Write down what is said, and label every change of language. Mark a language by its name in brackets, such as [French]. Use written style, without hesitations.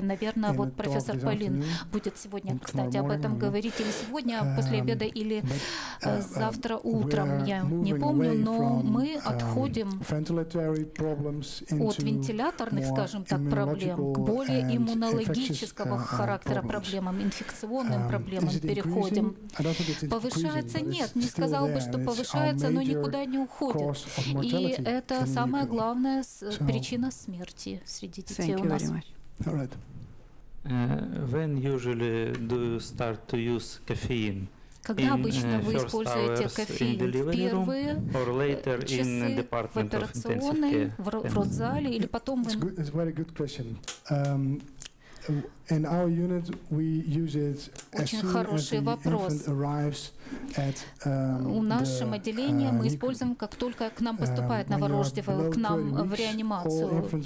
[Russian] Наверное, вот профессор Полин будет сегодня, кстати, об этом говорить, или сегодня после обеда, или завтра утром, я не помню, но мы отходим от вентиляторных, скажем так, проблем к более иммунологического характера проблемам, инфекционным проблемам переходим. Повышается? Нет, не сказал бы, что повышается, но никуда не уходит. И это самая главная причина смерти среди детей у нас. [English] When usually do you start to use caffeine? [Russian] Когда обычно вы используете кофеин? В первые часы в операционной, в родзале или потом? [English] It's a very good question. In our unit we use it as soon as the infant arrives at [Russian] у нашем отделении мы используем, как только к нам поступает новорожденный, к нам в реанимацию.